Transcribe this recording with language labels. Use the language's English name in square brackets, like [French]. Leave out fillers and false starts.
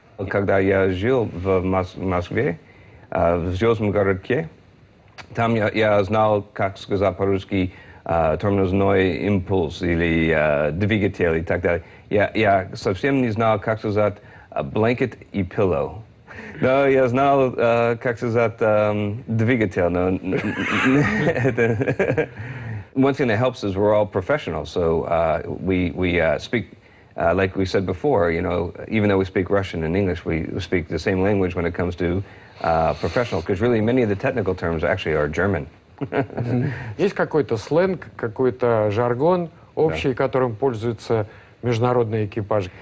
[Russian] Когда я жил в Москве, в Звездном городке, там я знал, как сказать по-русски тормозной импульс или двигатель и так далее. Я совсем не знал, как сказать [English] blanket [Russian] и [English] pillow. [Russian] Но я знал, как сказать двигатель. Но [English] one thing that helps is we're all professionals, so we speak. Like we said before, you know, even though we speak Russian and English, we speak the same language when it comes to professional, because really many of the technical terms actually are German. [Russian] Есть какой-то сленг, какой-то жаргон общий, которым пользуется международный экипаж?